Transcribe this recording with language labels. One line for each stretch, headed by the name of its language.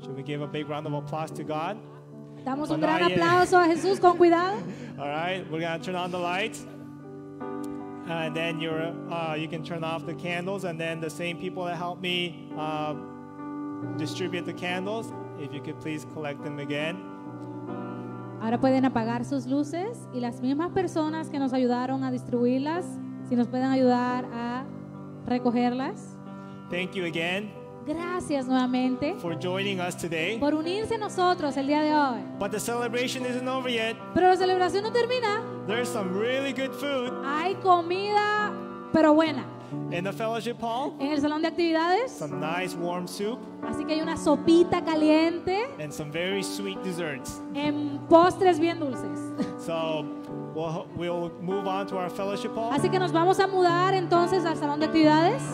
English: Should we give a big round of applause to God?
Spanish: Damos un gran aplauso a Jesús con cuidado.
English: All right, we're going to turn on the lights. And then you can turn off the candles. And then the same people that helped me distribute the candles, if you could please collect them again.
Spanish: Ahora pueden apagar sus luces. Y las mismas personas que nos ayudaron a distribuirlas, si nos pueden ayudar a recogerlas.
English: Thank you again.
Spanish: Gracias nuevamente
English: for joining us today.
Spanish: Por unirse a nosotros el día de hoy.
English: But the celebration isn't over yet.
Spanish: Pero la celebración no termina.
English: There's some really good food.
Spanish: Hay comida, pero buena.
English: In the fellowship hall.
Spanish: En el salón de actividades.
English: Some nice warm soup.
Spanish: Así que hay una sopita caliente.
English: And some very sweet desserts.
Spanish: En postres bien dulces.
English: So we'll move on to our fellowship hall.
Spanish: Así que nos vamos a mudar entonces al salón de actividades.